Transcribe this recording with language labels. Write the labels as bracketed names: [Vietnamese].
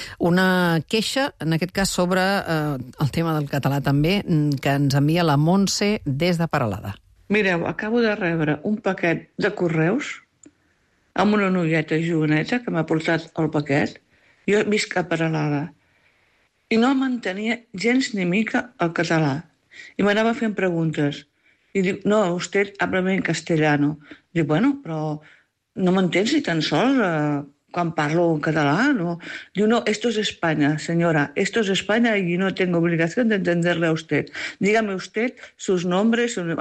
[Catalan] Una queixa, en aquest cas, sobre el tema del català també, que ens envia la Montse des de Peralada. Mireu, acabo de rebre un paquet de correus amb una noieta joveneta que m'ha portat el paquet. Jo visc a Peralada i no mantenia gens ni mica el català. I m'anava fent preguntes. I diu, [Spanish] no, usted habla bien castellano. [Catalan] Diu, bueno, però no m'entens ni tan sols quan parlo en català, no? [Spanish] Diu, no, esto es España, señora. Esto es España y no tengo obligación de entenderle a usted. Dígame usted sus nombres...